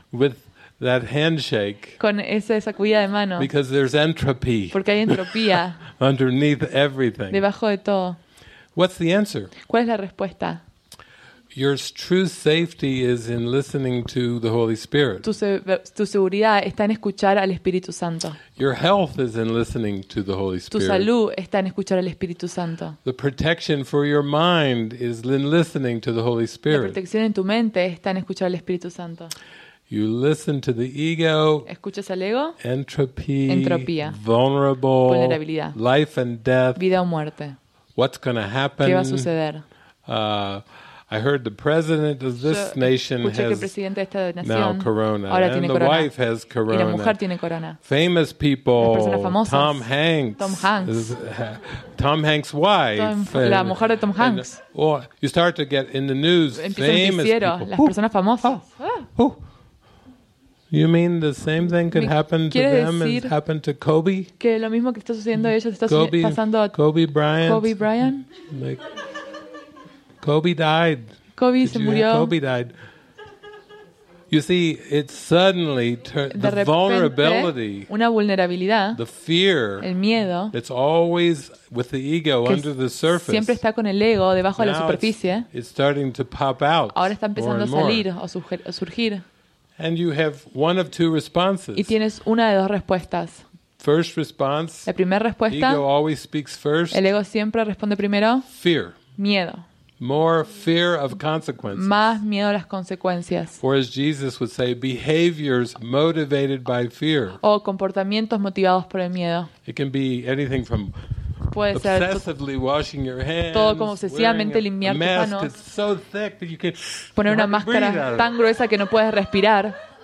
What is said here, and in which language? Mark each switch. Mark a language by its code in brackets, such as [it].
[en] With that handshake. [es] Con esa sacudida de mano. [en] Because there's entropy. [es] Porque hay entropía. [en] Underneath everything. [es] Debajo de todo. [en] What's the answer? [es] ¿Cuál es la respuesta? [en] Your true safety is in listening to the Holy Spirit. [es] Tu seguridad está en escuchar al Espíritu Santo. [en] Your health is in listening to the Holy Spirit. [es] Tu salud está en escuchar al Espíritu Santo. [en] The protection for your mind is in listening to the Holy Spirit. [es] La protección en tu mente está en escuchar al Espíritu Santo. [en] You listen to the ego. [es] ¿Escuchas al ego? [en] Entropy. [es] Entropía. [en] Vulnerable. [es] Vulnerabilidad. [en] Life and death. [es] Vida o muerte. [en] What's going to happen? [es] ¿Qué va a suceder? [en] I heard the president of this nation has [es] presidente de esta nación, [en] now corona. [es] Ahora [en] and [es] tiene corona. [en] Wife has corona. [es] Y la mujer tiene corona. [en] Famous people. [es] Las personas famosas, [en] Tom Hanks. Tom Hanks. Is, Tom Hanks' wife. [es] La mujer de Tom Hanks. [en] And, oh, you start to get in the news. Famous people. [es] Las personas famosas. [en] You mean the same thing could happen to them as happened to Kobe? [es] Que lo mismo que está sucediendo a ellos está pasando a Kobe Bryant. [en] Kobe Bryant. Like, Kobe died. [es] Kobe se murió. [en] Kobe died. You see, it suddenly turned the vulnerability, [es] una vulnerabilidad, [en] the fear, [es] el miedo, [en] it's always with the ego under the surface. [es] Siempre está con el ego debajo [en] now [es] de la superficie. [en] It's starting to pop out. [es] Ahora está empezando [en] more and [es] a salir o surgir. [en] And you have one of two responses. [es] Y tienes una de dos respuestas. [en] First response. [es] La primera respuesta. [en] Ego always speaks first. [es] El ego siempre responde primero. [en] Fear. [es] Miedo. [en] More fear of consequences. [es] Más miedo a las consecuencias. [en] For as Jesus would say, behaviors motivated by fear. [es] O comportamientos motivados por el miedo. [en] It can be anything from obsessively washing your hands. [es] Todo como obsesivamente limpiar tus manos. [en] A mask is so thick that you can [es] poner una máscara tan gruesa que no puedes respirar.